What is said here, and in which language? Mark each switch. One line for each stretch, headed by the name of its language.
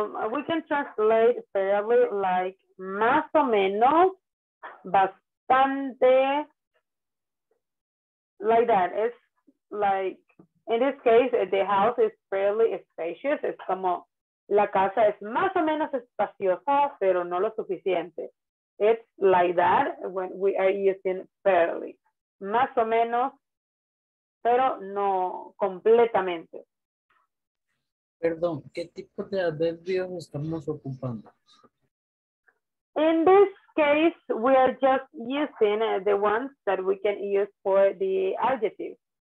English: We can translate fairly like
Spanish: más o menos, bastante,
English: like that. It's like, in this case, the house is fairly spacious.
Spanish: Es como, la casa es más o menos espaciosa, pero no lo suficiente.
English: It's like that when we are using fairly.
Spanish: Más o menos, pero no completamente. Perdón, ¿qué tipo de adverbios estamos ocupando?
English: In this case, we are just using the ones that we can use for the adjectives.